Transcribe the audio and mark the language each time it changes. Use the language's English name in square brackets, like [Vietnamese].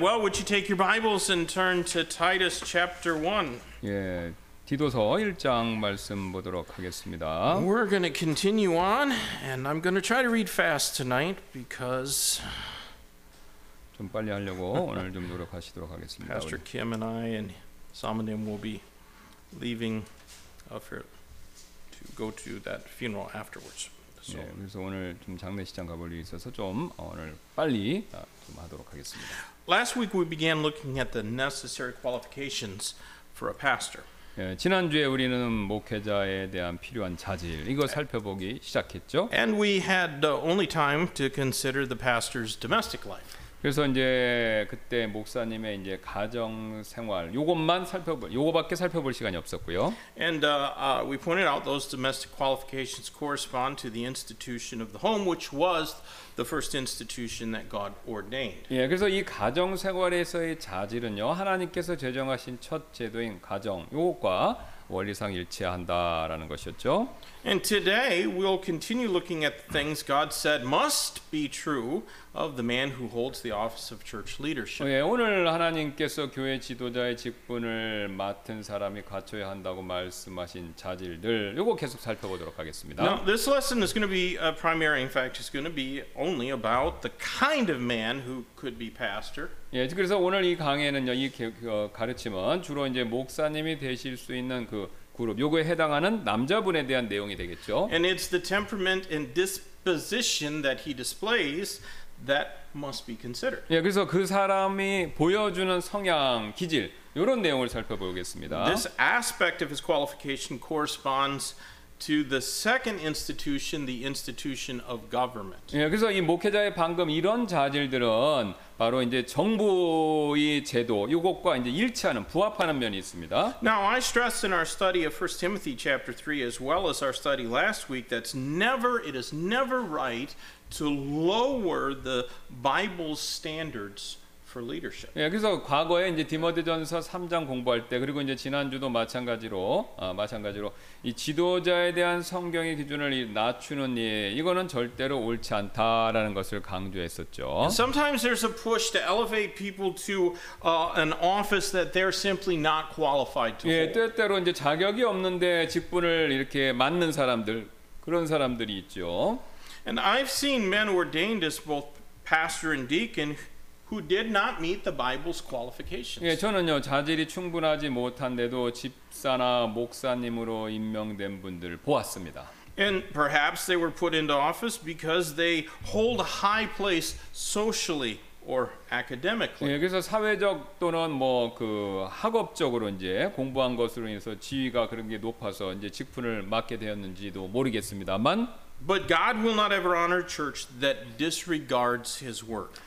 [English] Well, would you take your Bibles and turn to Titus chapter 1? [Korean] 예, 디도서 1장 말씀 보도록 하겠습니다. [English] We're going to continue on and I'm going to try to read fast tonight because [Korean] 좀 빨리 하려고 오늘 좀 노력하시도록 하겠습니다. [English] Pastor Kim and I and some of them will be leaving to go to that funeral afterwards. [Korean] So 네, 그래서 오늘 좀 장례식장 가볼 일이 있어서 좀 오늘 빨리 좀 하도록 하겠습니다. [English] Last week we began looking at the necessary qualifications for a pastor. [Korean] 예, 지난주에 우리는 목회자에 대한 필요한 자질 이거 살펴보기 시작했죠. [English] And we had only time to consider the pastor's domestic life. [Korean] 그래서 이제 그때 목사님의 이제 가정 생활 요것만 살펴볼 요거밖에 살펴볼 시간이 없었고요. [English] And we pointed out those domestic qualifications correspond to the institution of the home which was the first institution that God ordained. [Korean] 예, 그래서 이 가정 생활에서의 자질은요. 하나님께서 제정하신 첫 제도인 가정 요것과 원리상 일치한다라는 것이었죠. [English] And today we'll continue looking at the things God said must be true of the man who holds the office of church leadership. [Korean] 예, 오늘 하나님께서 교회 지도자의 직분을 맡은 사람이 갖춰야 한다고 말씀하신 자질들 요거 계속 살펴보도록 하겠습니다. [English] Now this lesson is going to be a primary in fact it's going to be only about the kind of man who could be pastor. [Korean] 예, 그래서 오늘 이 강의는요. 이 가르침은 주로 이제 목사님이 되실 수 있는 그 그룹 요거에 해당하는 남자분에 대한 내용이 되겠죠. [English] And it's the temperament and disposition that he displays that must be considered. [Korean] 예, 그래서 그 사람이 보여주는 성향, 기질 요런 내용을 살펴보겠습니다. [English] This aspect of his qualification corresponds to the second institution, the institution of government. [Korean] 예, 그래서 이 목회자의 방금 이런 자질들은 바로 이제 정부의 제도 이것과 이제 일치하는 부합하는 면이 있습니다. [English] Now I stress in our study of 1 Timothy chapter 3 as well as our study last week that's never it is never right to lower the Bible standards for leadership. [Korean] 예, 그래서 과거에 이제 디모데전서 3장 공부할 때 그리고 이제 지난주도 마찬가지로 이 지도자에 대한 성경의 기준을 낮추는 예, 이거는 절대로 옳지 않다라는 것을 강조했었죠. [English] And sometimes there's a push to elevate people to an office that they're simply not qualified to hold. [Korean] 예, 때때로 이제 자격이 없는데 직분을 이렇게 맡는 사람들 그런 사람들이 있죠. [English] And I've seen men ordained as both pastor and deacon who did not meet the Bible's qualifications. [Korean] 예, 저는요, 자질이 충분하지 못한데도 집사나 목사님으로 임명된 분들 보았습니다. [English] And perhaps they were put into office because they hold a high place socially or academically. [Korean] 예, 그래서 사회적 또는 뭐 그 학업적으로 이제 공부한 것으로 인해서 지위가 그런 게 높아서 이제 직분을 맡게 되었는지도 모르겠습니다만 [English] But God will not ever honor church that disregards his word.